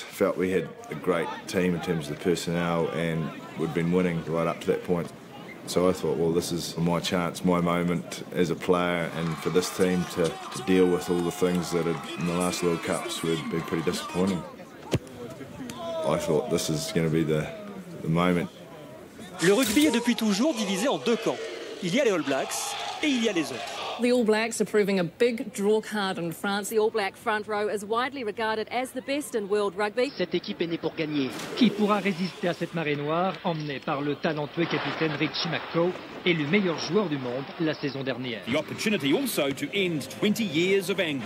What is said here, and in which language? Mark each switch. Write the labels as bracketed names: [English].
[English] Felt we had a great team in terms of the personnel, and we'd been winning right up to that point. So I thought, well, this is my chance, my moment as a player, and for this team to deal with all the things that had, in the last World Cups, would be pretty disappointing. I thought this is going to be the moment. [French] Le rugby est depuis toujours divisé en deux camps. Il y a les All Blacks et il y a les autres. [English] The All Blacks are proving a big draw card in France. The All Black front row is widely regarded as the best in world rugby. [French] Cette équipe est née pour gagner. Qui pourra résister à cette marée noire emmenée par le talentueux capitaine Richie McCaw, élu meilleur joueur du monde la saison dernière. [English] The opportunity also to end 20 years of anger.